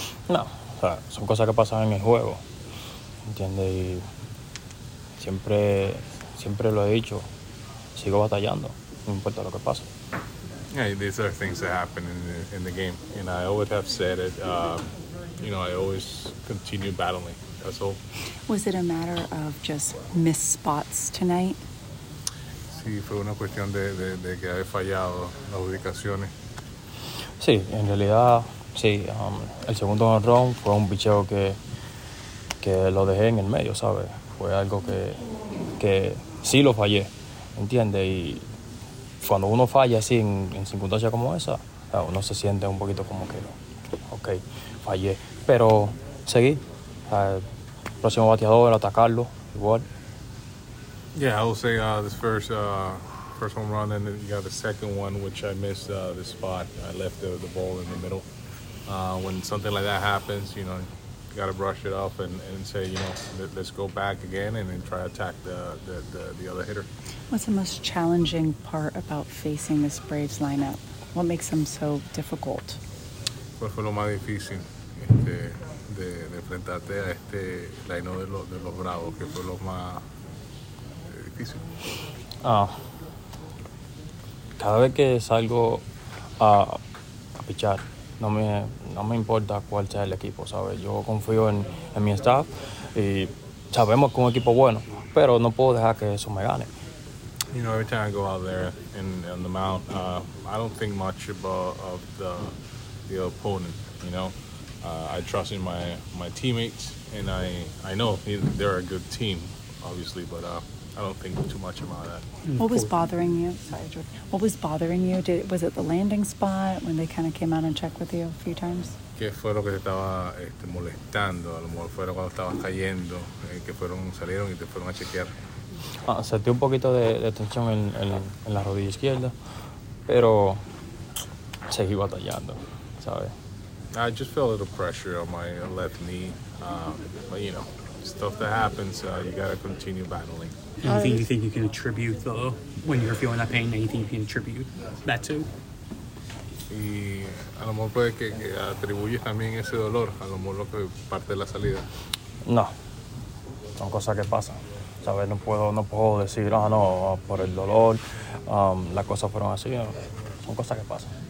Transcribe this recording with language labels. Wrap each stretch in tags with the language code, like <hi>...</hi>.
<es>No, o sea, son cosas que pasan en el juego. ¿Entiendes? Y siempre, siempre lo he dicho, sigo batallando, no importa lo que pase.</es> <en>Yeah, these are things that happen in the game. And I always have said it, you know, I always continue battling, that's all. Was it a matter of just missed spots tonight?</en> <es>Sí, fue una cuestión de que haber fallado las ubicaciones. Sí, en realidad, sí. El segundo honrón fue un picheo que lo dejé en el medio, ¿sabes? Fue algo que sí lo fallé, ¿entiendes? Y cuando uno falla así en circunstancias como esa, uno se siente un poquito como que, ok, fallé. Pero seguí, al próximo bateador, atacarlo, igual.</es> <en>Yeah, I will say this first home run, and then you got the second one, which I missed the spot. I left the ball in the middle. When something like that happens, you know, you got to brush it off and say, you know, let's go back again and then try to attack the other hitter. What's the most challenging part about facing this Braves lineup? What makes them so difficult?</en> <es>¿Cuál fue lo más difícil de enfrentarte a este lineup de los Bravos? ¿Qué fue lo más difícil? Cada vez que salgo a pichar, No me importa cuál sea el equipo, ¿sabes? Yo confío en mi staff y sabemos que es un equipo bueno, pero no puedo dejar que eso me gane.</es> <en>You know, every time I go out there on the mound, I don't think much of the opponent, you know. I trust in my teammates and I know they're a good team, obviously, but I don't think too much about that. What was bothering you? Sorry, George. What was bothering you? Was it the landing spot when they kind of came out and checked with you a few times?</en> <es>¿Qué fue lo que te estaba molestando? A lo mejor fue cuando estabas cayendo, que fueron salieron y te fueron a chequear. Sentí un poquito de tensión en la rodilla izquierda, pero seguí batallando, ¿sabes?</es> <en>I just felt a little pressure on my left knee, but you know, stuff that happens, you gotta continue battling. Anything you think you can attribute, though, when you're feeling that pain, anything you can attribute that to?</en> <es>Y a lo mejor puede que atribuyes también ese dolor, a lo mejor lo que parte de la salida. No, son cosas que pasan. ¿Sabes? No puedo decir, ah, no, por el dolor, las cosas fueron así, son cosas que pasan.</es>